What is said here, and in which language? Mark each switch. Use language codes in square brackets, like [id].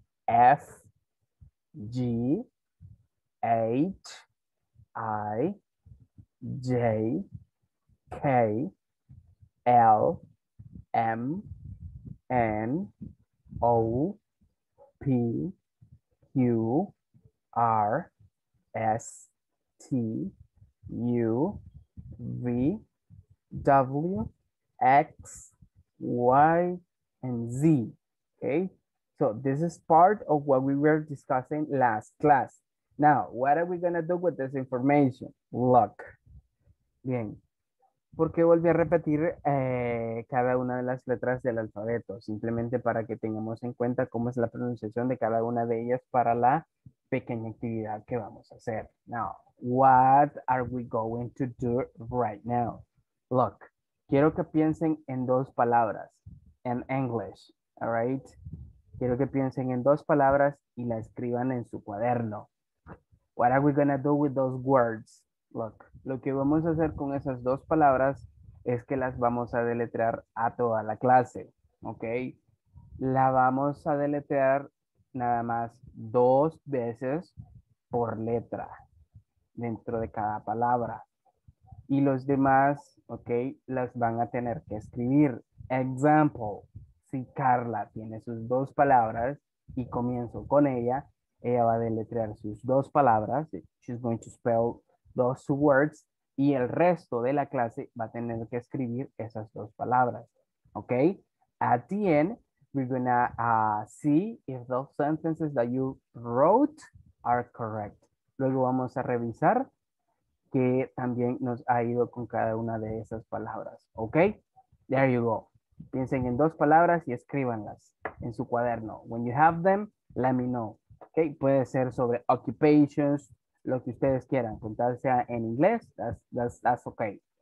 [en] F, G, H, I, J, K, L, M, N, O, P, Q, R, S, T, U, V, W, X, Y, and Z. Okay, so this is part of what we were discussing last class. Now, what are we gonna do with this information? Look. Bien. [es] ¿Por qué volví a repetir cada una de las letras del alfabeto? Simplemente para que tengamos en cuenta cómo es la pronunciación de cada una de ellas para la pequeña actividad que vamos a hacer. [en] Now, what are we going to do right now? [es] Look, quiero que piensen en dos palabras en English, all right? Quiero que piensen en dos palabras y la escriban en su cuaderno. [en] What are we going to do with those words? [es] Look, lo que vamos a hacer con esas dos palabras es que las vamos a deletrear a toda la clase, ¿ok? La vamos a deletrear nada más dos veces por letra dentro de cada palabra. Y los demás, ¿ok? Las van a tener que escribir. Example, si Carla tiene sus dos palabras y comienzo con ella, ella va a deletrear sus dos palabras. [en] She's going to spell those two words, [es] y el resto de la clase va a tener que escribir esas dos palabras, ¿ok? [en] At the end, we're gonna see if those sentences that you wrote are correct. [es] Luego vamos a revisar que también nos ha ido con cada una de esas palabras, ¿ok? [en] There you go. [es] Piensen en dos palabras y escríbanlas en su cuaderno. [en] When you have them, let me know, [es] ¿ok? Puede ser sobre occupations, lo que ustedes quieran, contarse en inglés, [en] that's okay.